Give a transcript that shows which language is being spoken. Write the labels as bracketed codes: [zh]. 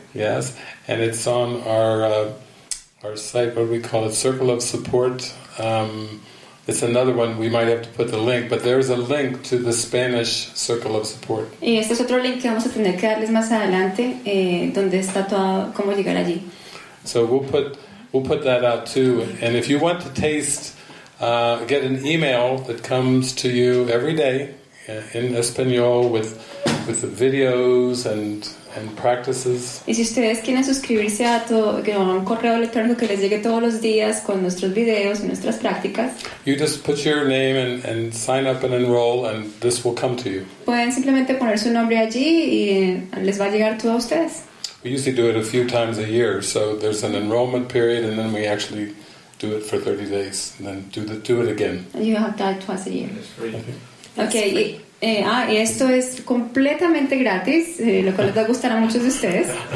[en] Yes, and it's on our site, what do we call it, Circle of Support, It's another one, we might have to put the link, but there is a link to the Spanish Circle of Support. [es] Y este es otro link que vamos a tener que darles más adelante, donde está todo, cómo llegar allí. [en] So we'll put that out too. And if you want to taste, get an email that comes to you every day in Espanol with the videos and practices. [es] Y si ustedes quieren suscribirse a todo, un correo electrónico que les llegue todos los días con nuestros videos y nuestras prácticas. [en] You just put your name and sign up and enroll, and this will come to you. [es] Pueden simplemente poner su nombre allí y les va a llegar todo a ustedes. [en] We usually do it a few times a year, so there's an enrollment period, and then we actually do it for 30 days, and then do it again. And you have that twice a year. Okay. [es] Y esto es completamente gratis, lo cual les va a gustar a muchos de ustedes.